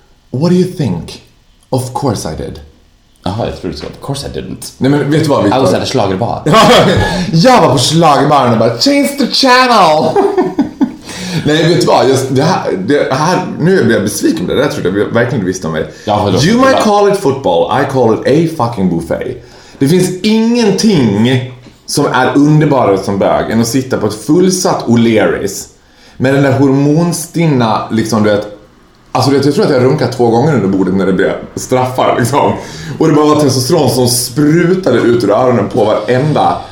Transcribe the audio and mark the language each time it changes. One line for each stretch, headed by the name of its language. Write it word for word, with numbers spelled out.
English: What do you think? Of course I did.
Swedish: Jaha, jag tror du sa
English: of course I didn't.
Swedish: Nej, men vet du vad?
English: I was at a schlagerbar.
Swedish: Jag var på schlagerbaren och bara
English: change the channel.
Swedish: Nej, vet du vad? Just det här, det här, nu blir jag besviken med det. Det trodde jag verkligen du visste om mig.
English: You might call it football, I call it a fucking buffet.
Swedish: Det finns ingenting som är underbarare som bög än att sitta på ett fullsatt O'Learys med den där hormonstinna liksom, du vet. Alltså jag tror att jag runkade två gånger under bordet när det blev straffar liksom. Och det bara var testosteron som sprutade ut ur öronen på varenda.